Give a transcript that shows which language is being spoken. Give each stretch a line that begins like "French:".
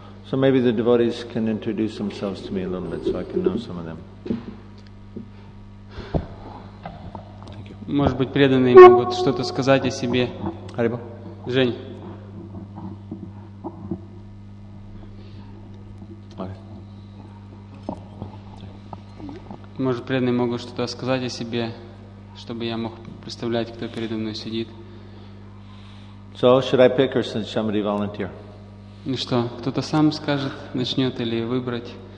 English: So maybe the devotees can introduce themselves to me a little bit so I can know some of them. Thank you.
Russian: Может быть, преданные могут что-то сказать о себе. Харибо. Жень. Может, преданные могут что-то сказать о себе, чтобы я мог представлять, кто передо мной сидит.
English: So should I pick or should somebody volunteer?
Russian: Ну что, кто-то сам скажет, начнет или выбрать?